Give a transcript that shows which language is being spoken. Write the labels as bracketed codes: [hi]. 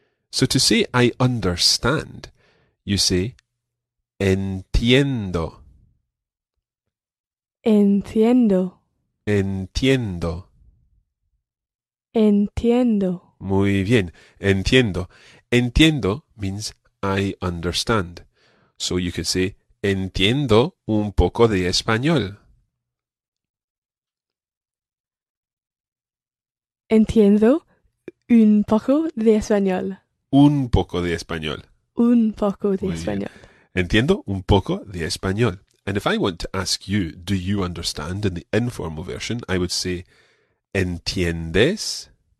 [en] So to say I understand, you say entiendo. [es] Entiendo. Entiendo. Entiendo. Muy bien. Entiendo. [en] Entiendo means I understand. So you could say [es] entiendo un poco de español. Entiendo un poco de español. Un poco de español. Un poco de español. Entiendo un poco de español. [en] And if I want to ask you, do you understand in the informal version, I would say, ¿entiendes?